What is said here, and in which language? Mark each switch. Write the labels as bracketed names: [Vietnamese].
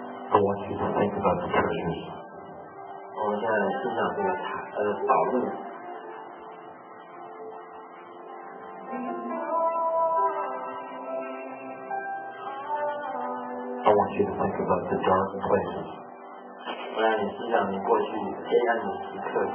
[English] I want you to think about the treasures. [Chinese] 我们现在欣赏这个宝物。 [English] I want you to think about the dark places. [Chinese] 我让你欣赏你过去黑暗的时刻。